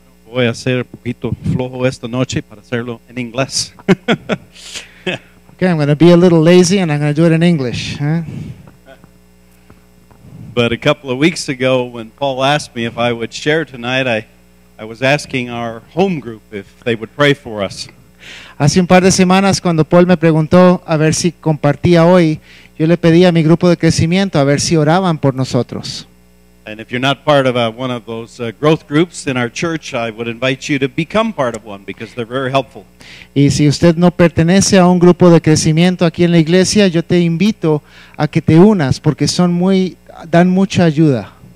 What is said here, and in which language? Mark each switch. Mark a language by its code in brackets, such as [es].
[es] Voy a ser un poquito flojo esta noche para hacerlo en inglés. [en] Okay, I'm going to be a little lazy and I'm going to do it in English. Huh? But a couple of weeks ago when Paul asked me if I would share tonight, I was asking our home group if they would pray for us. [es] Hace un par de semanas cuando Paul me preguntó a ver si compartía hoy, yo le pedí a mi grupo de crecimiento a ver si oraban por nosotros. [en] And if you're not part of one of those growth groups in our church, I would invite you to become part of one because they're very helpful. [es] Y si usted no pertenece a un grupo de crecimiento aquí en la iglesia, yo te invito a que te unas porque son muy dan mucha ayuda.